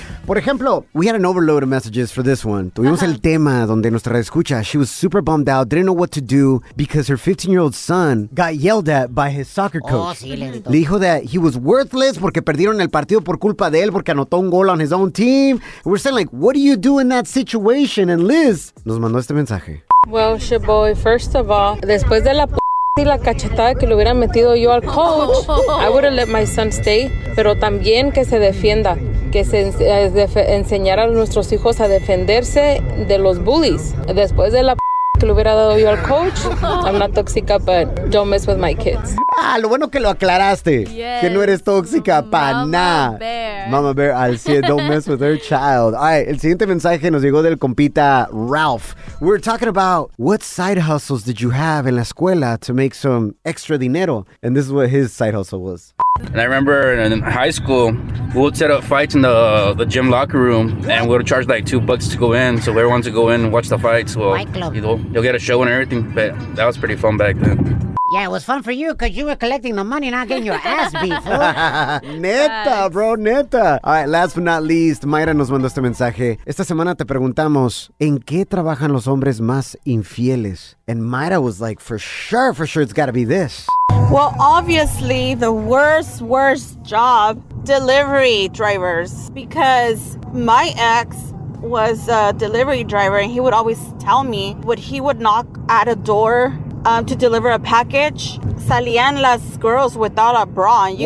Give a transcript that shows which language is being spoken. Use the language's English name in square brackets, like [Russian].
[Spanish] Por ejemplo, [English] we had an overload of messages for this one. [Spanish] Tuvimos el tema donde nuestra radio escucha. [English] She was super bummed out, didn't know what to do because her 15-year-old son got yelled at by his soccer coach. [Spanish] Oh, sí, le dijo [English] that he was worthless [Spanish] porque perdieron el partido por culpa de él porque anotó un gol [English] on his own team. We're saying like, what do you do in that situation? [Spanish] And Liz nos mandó este mensaje. [English] Well, Sha'Boy, first of all, [Spanish] después de la p*** y la cachetada que le hubiera metido yo al coach, [English] I would have let my son stay, [Spanish] pero también que se defienda, que se enseñara a nuestros hijos a defenderse de los bullies. Después de la p*** que le hubiera dado yo al coach, [English] I'm not toxic, but don't mess with my kids. [Spanish] Ah, lo bueno que lo aclaraste, [English] yes. [Spanish] Que no eres tóxica para nada. [English] Mama Bear, I'll see it. Don't mess with her child. All right, [Spanish] el siguiente mensaje nos llegó del compita Ralph. [English] We're talking about what side hustles did you have in la escuela to make some extra dinero? And this is what his side hustle was. And I remember in high school, we would set up fights in the gym locker room, and we would charge like $2 to go in. So everyone to go in and watch the fights. Well, you'll get a show and everything. But that was pretty fun back then. Yeah, it was fun for you because you were collecting the money, not getting your ass beat, fool. [Spanish] Neta, bro, neta. [English] All right, last but not least, Mayra [Spanish] nos mandó este mensaje. Esta semana te preguntamos, ¿en qué trabajan los hombres más infieles? [English] And Mayra was like, for sure, it's got to be this. Well, obviously, the worst job, delivery drivers. Because my ex was a delivery driver, and he would always tell me what he would knock at a door to deliver a package, [Spanish] salían las [English] girls without a bra, and you